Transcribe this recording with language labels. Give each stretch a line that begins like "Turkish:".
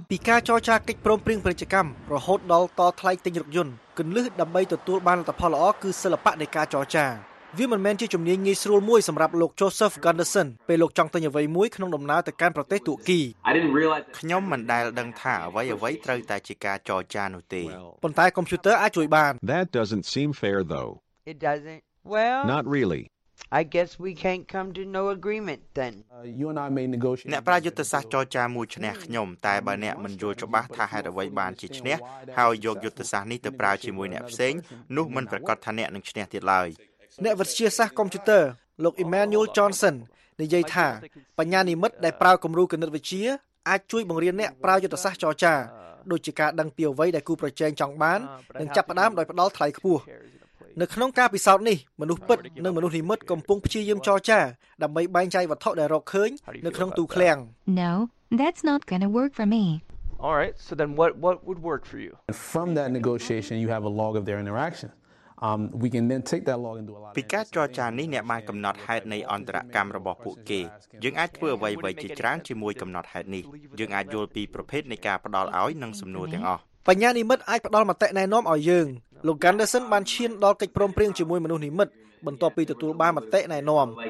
Khmer: ពីការចរចាកិច្ចព្រមព្រៀងពាណិជ្ជកម្មរហូតដល់តថ្លៃទិញរថយន្តគន្លឹះដើម្បីទទួលបានលទ្ធផលល្អគឺសិល្បៈនៃការចរចាវាមិនមែនជាជំនាញងាយស្រួលមួយសម្រាប់លោក Joseph Gunderson ពេលលោកចង់ទិញអ្វីមួយក្នុងដំណើរទៅកាន់ប្រទេសទួគី ខ្ញុំមិនដែលដឹងថាអ្វីត្រូវតែជាការចរចានោះទេ ប៉ុន្តែកុំព្យូទ័រអាចជួយបាន
English: That doesn't seem fair though It doesn't Well Not really I guess we can't come to no agreement then. You and I may negotiate.
Khmer: អ្នកប្រយុទ្ធសាស្ត្រចរចាមួយឈ្នះខ្ញុំតែបើអ្នកមិនយល់ច្បាស់ថាហេតុអ្វីបានជាឈ្នះហើយយកយុទ្ធសាស្ត្រនេះទៅប្រើជាមួយអ្នកផ្សេងនោះមិនប្រកាសថាអ្នកនឹងឈ្នះទៀតឡើយ ។អ្នកវិទ្យាសាស្ត្រកុំព្យូទ័រលោក Emmanuel Johnson និយាយថាបញ្ញានិមិត្តដែលប្រើគំរូគណិតវិទ្យាអាចជួយបង្រៀនអ្នកប្រើយុទ្ធសាស្ត្រចរចាដូចជាការដឹងពីអ្វីដែលគូប្រជែងចង់បាននិងចាប់ផ្ដើមដោយផ្ដល់ថ្លៃខ្ពស់។នៅក្នុងការពិសោធន៍នេះមនុស្សពិតនិងមនុស្សនិមិត្តកំពុងព្យាយាមចរចាដើម្បីបែងចែកវត្ថុដែលរកឃើញនៅក្នុងទូឃ្លាំង
English: No that's not going to work for me All right so then what would work for you From that negotiation you have a log of their interaction we can then take that log and do a lot
Khmer: ពីការចរចានេះអ្នកបានកំណត់ហេតុនៃអន្តរកម្មរបស់ពួកគេយើងអាចធ្វើអ្វីៗជាច្រើនជាមួយកំណត់ហេតុនេះយើងអាចយល់ពីប្រភេទនៃការផ្ដល់ឲ្យនិងសំណួរទាំងអស់ បញ្ញានិមិត្តអាចផ្ដល់មតិណែនាំឲ្យយើង លោក Gunderson បានឈានដល់កិច្ចព្រមព្រៀងជាមួយមនុស្សនិមិត្តបន្ទាប់ពីទទួលបានមតិណែនាំ